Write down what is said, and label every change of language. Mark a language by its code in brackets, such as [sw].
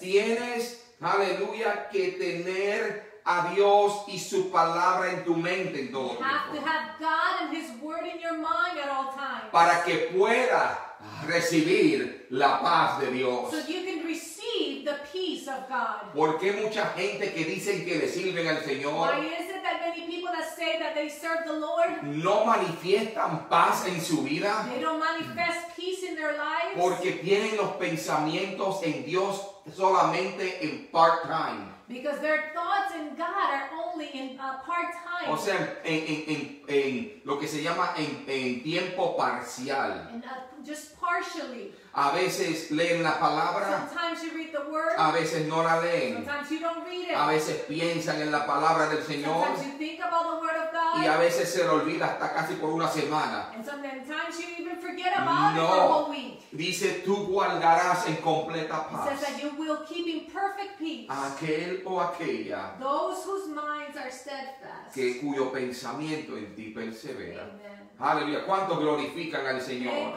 [es] Tienes, aleluya, que tener a Dios y su palabra en tu mente en todo momento. [en] You have to have God and His word in your mind at all times. [es] Para que pueda recibir la paz de Dios. [en] So you can receive the peace of God. [es] ¿Por qué mucha gente que dicen que le sirven al Señor, [en] why is it that many people that say that they serve the Lord, [es] no manifiestan paz en su vida? [en] They don't manifest peace in their lives. [es] Porque tienen los pensamientos en Dios solamente en part-time. [en] Because their thoughts in God are only in part-time. [es] O sea, en lo que se llama en tiempo parcial. [en] And just partially. [es] A veces leen la palabra. [en] Sometimes you read the word. [es] A veces no la leen. [en] Sometimes you don't read it. [es] A veces piensan en la palabra del Señor. [en] Sometimes you think about the word of God. [es] Y a veces se le olvida hasta casi por una semana. [en] And sometimes you even forget about it for a whole week. [es] Dice, tú guardarás en completa paz. [en] It says that you will keep in perfect peace. [es] Aquel o aquella. [en] Those whose minds are steadfast. [es] Que cuyo pensamiento en ti persevera. [en] Amen. [es] Aleluya. ¿Cuántos glorifican al Señor?